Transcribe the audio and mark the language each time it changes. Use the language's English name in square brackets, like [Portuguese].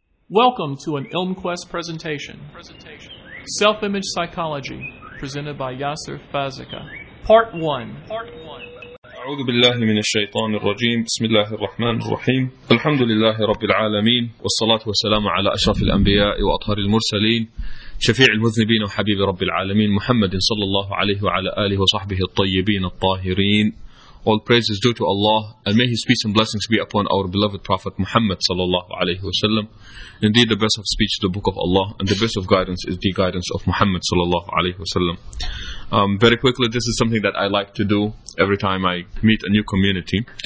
[English] Welcome to an ElmQuest presentation. Self-image psychology, presented by Yasser Fazica. Part 1. [Arabic] أعوذ بالله من الشيطان الرجيم بسم الله الرحمن الرحيم الحمد لله رب العالمين والصلاة والسلام على أشرف الأنبياء وأطهر المرسلين شفيع المذنبين وحبيب رب العالمين محمد صلى الله عليه وعلى آله وصحبه الطيبين الطاهرين. [English] All praise is due to Allah, and may His peace and blessings be upon our beloved Prophet Muhammad sallallahu alaihi wasallam. Indeed, the best of speech is the book of Allah, and the best of guidance is the guidance of Muhammad sallallahu alaihi wasallam. Very quickly, this is something that I like to do every time I meet a new community.